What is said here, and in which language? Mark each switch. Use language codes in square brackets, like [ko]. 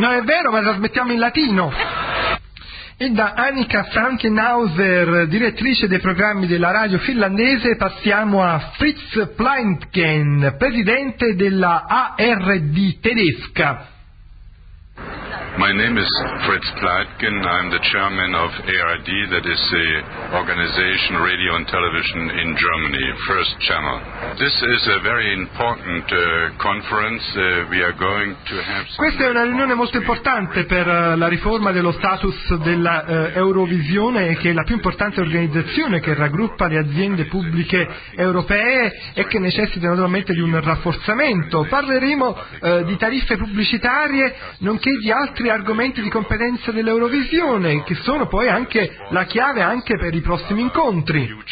[it] No, è vero, ma trasmettiamo in latino. E da Annika Frankenhauser, direttrice dei programmi della radio finlandese, passiamo a Fritz Pleintgen, presidente della ARD tedesca. [en] My name is Fritz Pleintgen. I'm the chairman of ARD, that is the organization radio and television in Germany, first channel. This is a very important conference. We are going to have. [it] Questa è una riunione molto importante per la riforma dello status della Eurovisione, che è la più importante organizzazione che raggruppa le aziende pubbliche europee e che necessita naturalmente di un rafforzamento. Parleremo di tariffe pubblicitarie, nonché di altri argomenti di competenza dell'Eurovisione, che sono poi anche la chiave anche per i prossimi incontri.